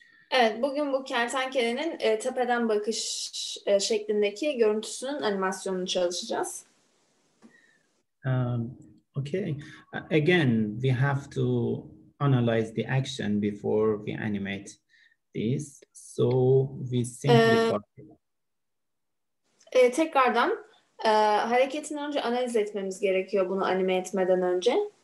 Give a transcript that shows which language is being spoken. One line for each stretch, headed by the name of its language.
Turkish: Evet, bugün bu kertenkelenin tepeden bakış şeklindeki görüntüsünün animasyonunu çalışacağız.
English: Okay. Again, we have to analyze the action before we animate this. So we simply.
Turkish: Tekrardan hareketin önce analiz etmemiz gerekiyor bunu anime etmeden önce.